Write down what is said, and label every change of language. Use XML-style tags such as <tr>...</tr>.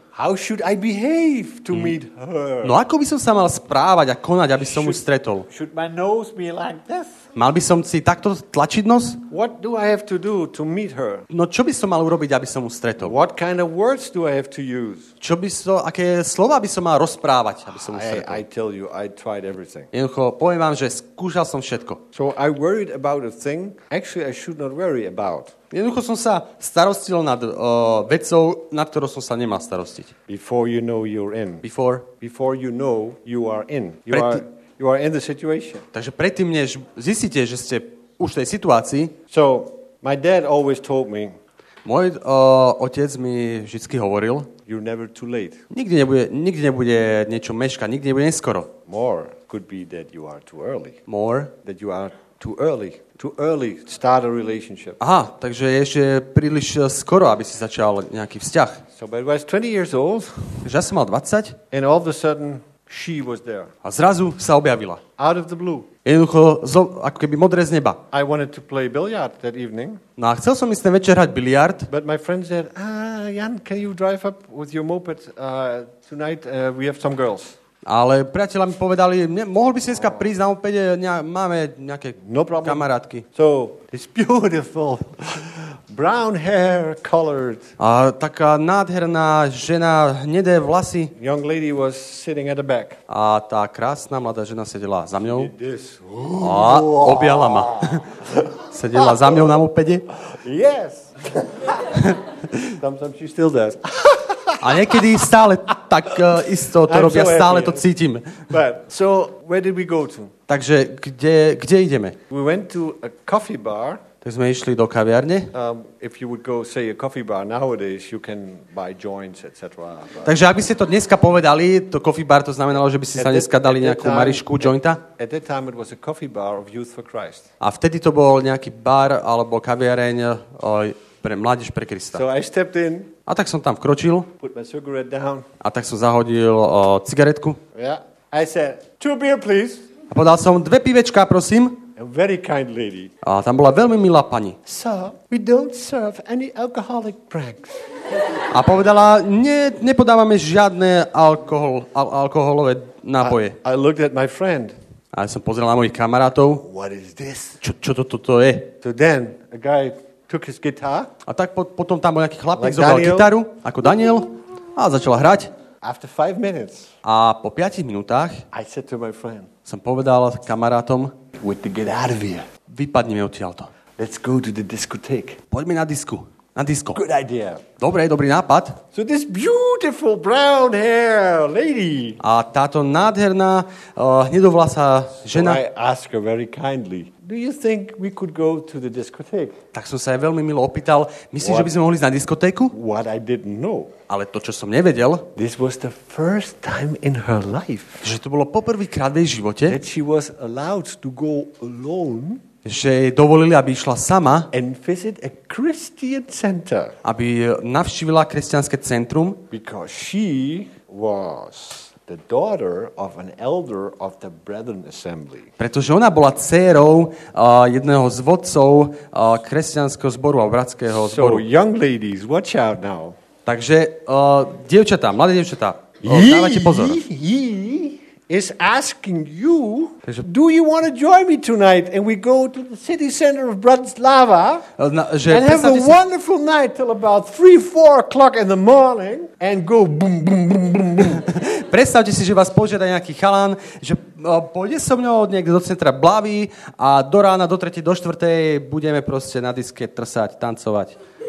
<en>How should I behave to meet her?</en> <sk>No ako by som sa mal správať a konať, aby som ju stretol?</sk> <en>Should my nose be like this?</en> <sk>Mal by som si takto tlačiť nos?</sk> <en>What do I have to do to meet her?</en> <sk>No čo by som mal urobiť, aby som ju stretol?</sk> <en>What kind of words do I have to use?</en> <sk>Aké slova by som mal rozprávať, aby som ju stretol?</sk> <en>I tell you, I tried everything.</en> <sk>Jednoducho, poviem vám, že skúšal som všetko.</sk> <en>So I worried about a thing actually I should not worry about.</en> <sk>Jednoducho som sa starostil nad vecou, nad ktorou som sa nemal starostiť.</sk> <en>Before you know you're in. Before you know you are in. You are in the situation.</en> <sk>Takže predtým, než zistíte, že ste už v tej situácii.</sk> <en>So, my dad always told me.</en> <sk>Môj otec mi vždy hovoril.</sk> <en>You're never too late.</en> <sk>Nikdy nebude niečo meškať, nikdy nebude neskoro.</sk> <en>More could be that you are too early. More that you are too early. Too early to start a relationship.</en> <sk>Aha, takže je ešte príliš skoro, aby si začal nejaký vzťah.</sk> <en>So but I was 20 years old.</en> <sk>Ja som mal 20.</sk> <en>And all of a sudden she was there.</en> <sk>A zrazu sa objavila.</sk> <en>Out of the blue.</en> <sk>Jednoducho, ako keby modré z neba.</sk> <en>I wanted to play billiard that evening.</en> <sk>No a chcel som ísť ten večer hrať biliard.</sk> <en>But my friend said, Jan, can you drive up with your moped tonight? We have some girls.</en> <sk>Ale priateľa mi povedali, mohol by si dneska prísť na opäť, máme nejaké no kamarátky.</sk> <en>So, it's beautiful, brown hair colored.</en> <sk>A taká nádherná žena, hnedé vlasy.</sk> <en>Young lady was sitting at the back.</en> <sk>A tá krásna mladá žena sedela za mňou.</sk> <en>This.</en> <sk>A objala ma. Sedela za mňou na opäť.</sk> <en>Yes. Sometimes she still does.</en> <sk>A niekedy stále tak isto to robia, so stále to cítim.</sk> <en>But, so where did we go to?</en> <sk>Takže kde ideme?</sk> <en>We went to a coffee bar.</en> <sk>Tak sme išli do kaviarne.</sk> <en>If you would go say a coffee bar nowadays, you can buy joints, etc.</en> <sk>Takže aby ste to dneska povedali, to coffee bar, to znamenalo, že by ste sa dneska dali nejakú marišku, jointa?</sk> <en>At that time it was a coffee bar of Youth for Christ.</en> <sk>A vtedy to bol nejaký bar alebo kaviareň pre mládež pre Krista.</sk> <en>So I stepped in.</en> <sk>A tak som tam vkročil.</sk> <en>Put my cigarette down.</en> <sk>A tak som zahodil cigaretku.</sk> <en>Yeah. I said, two beer please.</en> <sk>A podal som dve pivečka, prosím.</sk> <en>A very kind lady.</en> <sk>A tam bola veľmi milá pani.</sk> <en>So, we don't serve any alcoholic drinks.</en> <sk>A povedala, nepodávame žiadne alkoholové nápoje.</sk> <en>I looked at my friend.</en> <sk>A som pozrel na mojich kamarátov.</sk> <en>What is this?</en> <sk>Čo to je?</sk> <en>So then, a guy took his guitar.</en> <sk>A tak potom tam bol nejaký chlapík, like zobral gitaru, ako Daniel, a začal hrať.</sk> <en>After 5 minutes.</en> <sk>A po 5 minútach</sk> <en>I said to my friend.</en> <sk>Som povedal kamarátom,</sk> <en>with the get out of here.</en> <sk>Vypadneme odtiaľto.</sk> <en>Let's go to the discotheque.</en> <sk>Poďme na disku. Na disko.</sk> <en>Good idea.</en> <sk>Dobrý nápad.</sk> <en>So this beautiful brown hair lady.</en> <sk>A táto nádherná hnedovlasá žena.</sk> <en>So I ask her very kindly. Do you think we could go to the discotheque?</en> <sk>Tak som sa jej veľmi milo opýtal. Myslíš, že by sme mohli ísť na diskotéku?</sk> <en>What I didn't know.</en> <sk>Ale to, čo som nevedel.</sk> <en>This was the first time in her life.</en> <sk>Že to bolo poprvý krát v jej živote.</sk> <en>That she was allowed to go alone.</en> <sk>Že jej dovolili, aby išla sama.</sk> <en>And visit a Christian center.</en> <sk>Aby navštívila kresťanské centrum.</sk> <en>Because she was the daughter of an elder of the Brethren Assembly.</en> <sk>Pretože ona bola dcérou jedného z vodcov kresťanského zboru a bratského zboru.</sk> <en>So young ladies, watch out now.</en> <sk>Takže dievčatá, mladé dievčatá, dávajte pozor.</sk> <en>He is asking you, takže, do you want to join me tonight and we go to the city center of Bratislava and have a wonderful night till about 3-4 o'clock in the morning and go boom, boom, boom, boom, boom.</en> <sk>Predstavte si, že vás požiada nejaký chalán, že pôjde so mňou od niekde do centra Blavy a do rána, do tretej, do štvrtej budeme proste na diske trsať, tancovať.</sk>